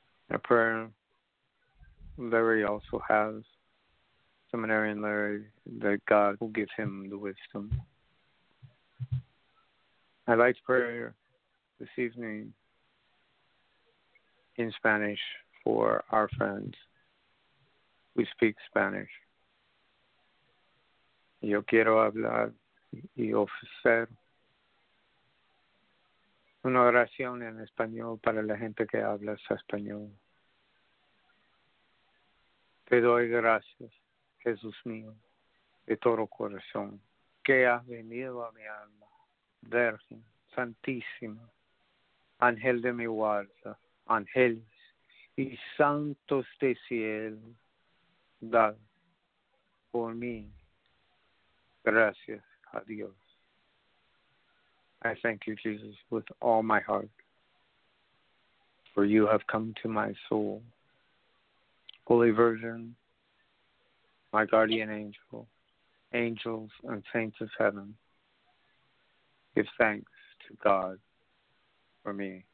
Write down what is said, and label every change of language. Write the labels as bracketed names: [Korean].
[English] A prayer Larry also has, Seminarian Larry, that God will give him the wisdom. I'd like to pray this evening in Spanish for our friends who speak Spanish. [Spanish] Yo quiero hablar y ofrecer una oración en español para la gente que habla español. Te doy gracias, Jesús mío, de todo corazón, que has venido a mi alma, Virgen Santísima, Ángel de mi guarda, ángeles y santos de cielo, dad por mí Gracias a Dios. [English] I thank you, Jesus, with all my heart, for you have come to my soul. Holy Virgin, my guardian angel, angels and saints of heaven, give thanks to God for me.